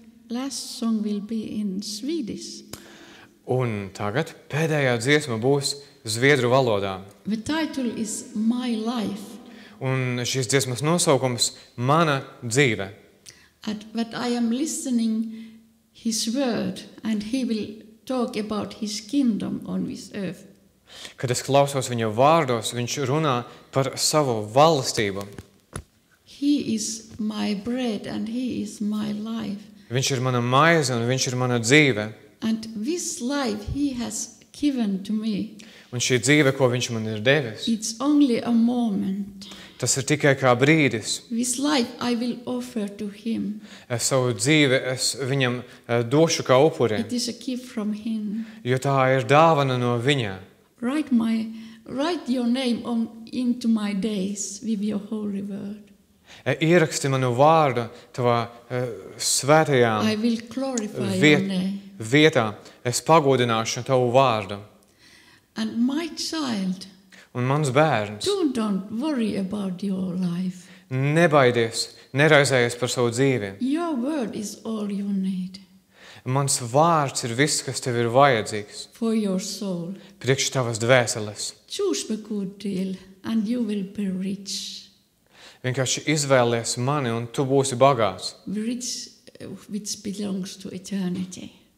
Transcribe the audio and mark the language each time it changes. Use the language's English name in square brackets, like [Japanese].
[English] last song will be in Swedish. [Latvian] Un tagad pēdējā dziesma būs zviedru valodā. [English] The title is My Life. [Latvian] Un šīs dziesmas nosaukums Mana dzīve. [English] At what I am listening his word and he will talk about his kingdom on this earth. [Latvian] Kad es klausos viņa vārdos, viņš runā par savu valstību. [English] He is my bread and he is my life. [Latvian] Viņš ir mana maize un viņš ir mana dzīve. [English] And this life he has given to me. [Latvian] Un šī dzīve, ko viņš man ir devis. [English] It's only a moment. [Latvian] Tas ir tikai kā brīdis. [English] This life I will offer to him. [Latvian] Es savu dzīvi es viņam došu kā upuri. [English] It is a gift from him. [Latvian] Jo tā ir dāvana no viņa. [English] Write your name on into my days with your holy word. [Latvian] Ieraksti manu vārdu tavā svētajā [English] I will glorify your name. [Latvian] Vietā es pagodināšu tavu vārdu. [English] And my child. [Latvian] Un mans bērns. [English] Don't worry about your life. [Latvian] Nebaidies, neraizējies par savu dzīvi. [English] Your word is all you need. [Latvian] Mans vārds ir viss, kas tev ir vajadzīgs. [English] For your soul. [Latvian] Priekš tavas dvēseles. [English] Choose the good deal and you will be rich. [Latvian] Vienkārši izvēlies mani un tu būsi bagāts. [English] Rich which belongs to eternity.